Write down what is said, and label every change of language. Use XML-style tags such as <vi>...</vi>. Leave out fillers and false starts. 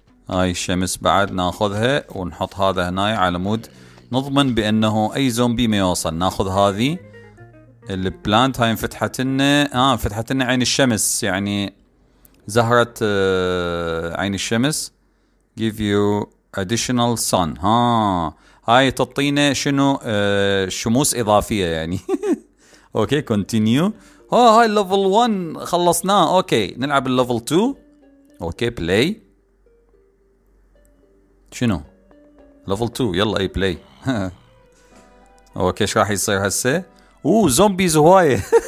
<ar>هاي الشمس بعد ناخذها ونحط هذا هنا على مود نضمن بانه اي زومبي ما يوصل. ناخذ هذه البلانت، هاي انفتحت لنا انفتحت لنا عين الشمس، يعني زهرة عين الشمس.</ar> <en>give you additional sun.</en> <ar>ها هاي تطينا شنو؟ شموس اضافية يعني. اوكي continue. ها هاي level 1 خلصناه. اوكي نلعب level 2. اوكي play. شنو level 2؟ يلا اي play. اوكي ايش راح يصير هسه؟ او زومبيز هواية.</ar>